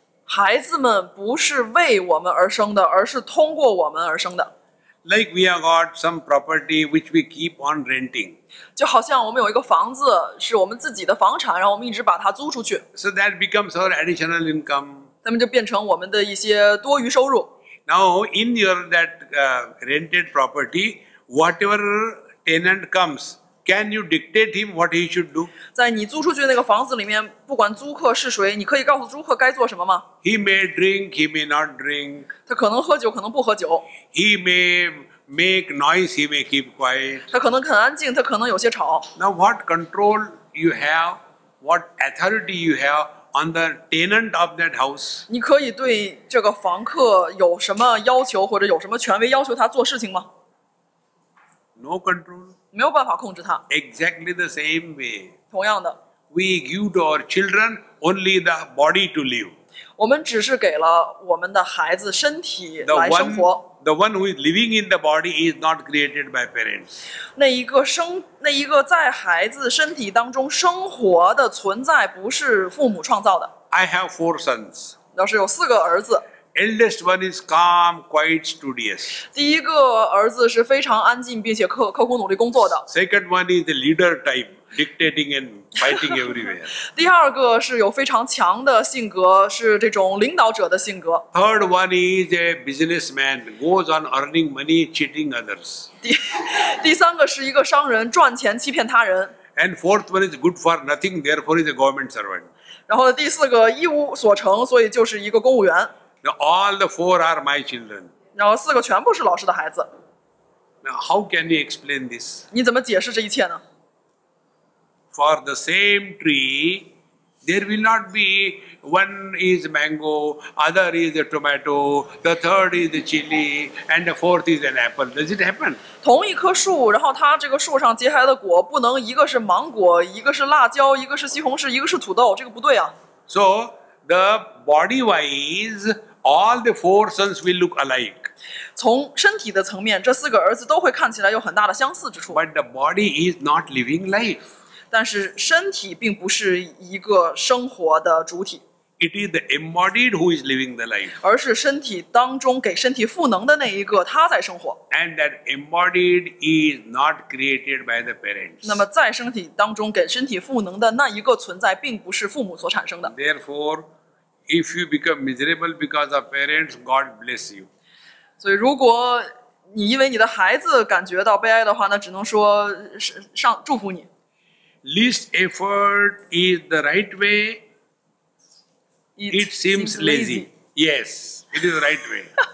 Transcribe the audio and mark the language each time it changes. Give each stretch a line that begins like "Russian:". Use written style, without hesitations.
Chinese: 孩子们不是为我们而生的，而是通过我们而生的。
English: Like we have got some property which we keep on renting.
Chinese: 就好像我们有一个房子是我们自己的房产，然后我们一直把它租出去。
English: So that becomes our additional income.
Chinese: 那么就变成我们的一些多余收入。
English: Now in your that rented property, whatever tenant comes, can you dictate him what he should do?
Chinese: 在你租出去那个房子里面，不管租客是谁，你可以告诉租客该做什么吗？
English: He may drink, he may not drink.
Chinese: 他可能喝酒，可能不喝酒。
English: He may make noise, he may keep quiet.
Chinese: 他可能很安静，他可能有些吵。
English: Now what control you have, what authority you have on the tenant of that house?
Chinese: 你可以对这个房客有什么要求，或者有什么权威要求他做事情吗？
English: No control.
Chinese: 没有办法控制他。
English: Exactly the same way.
Chinese: 同样的。
English: We give to our children only the body to live.
Chinese: 我们只是给了我们的孩子身体来生活。
English: The one who is living in the body is not created by parents.
Chinese: 那一个在孩子身体当中生活的存在不是父母创造的。
English: I have 4 sons.
Chinese: 老师有四个儿子。
English: Eldest one is calm, quiet, studious.
Chinese: 第一个儿子是非常安静，并且刻苦努力工作的。
English: Second one is the leader type, dictating and fighting everywhere.
Chinese: 第二个是有非常强的性格，是这种领导者的性格。
English: Third one is a businessman, goes on earning money, cheating others.
Chinese: 第三个是一个商人，赚钱欺骗他人。
English: And fourth one is good for nothing, therefore is a government servant.
Chinese: 然后第四个一无所成，所以就是一个公务员。
English: Now all the 4 are my children.
Chinese: 然后四个全部是老师的孩子。
English: Now how can you explain this?
Chinese: 你怎么解释这一切呢？
English: For the same tree, there will not be one is mango, other is a tomato, the third is a chili, and the fourth is an apple. Does it happen?
Chinese: 同一棵树，然后它这个树上结下来的果不能一个是芒果，一个是辣椒，一个是西红柿，一个是土豆，这个不对啊。
English: So. The body-wise, all the 4 sons will look alike.
Chinese: 从身体的层面，这四个儿子都会看起来有很大的相似之处。
English: But the body is not living life.
Chinese: 但是身体并不是一个生活的主体。
English: It is the embodied who is living the life.
Chinese: 而是身体当中给身体赋能的那一个，他在生活。
English: And that embodied is not created by the parents.
Chinese: 那么在身体当中给身体赋能的那一个存在，并不是父母所产生的。
English: Therefore, if you become miserable because of parents, God bless you.
Chinese: 所以如果你因为你的孩子感觉到悲哀的话，那只能说上祝福你。
English: Least effort is the right way. It seems lazy. Yes, it is the right way.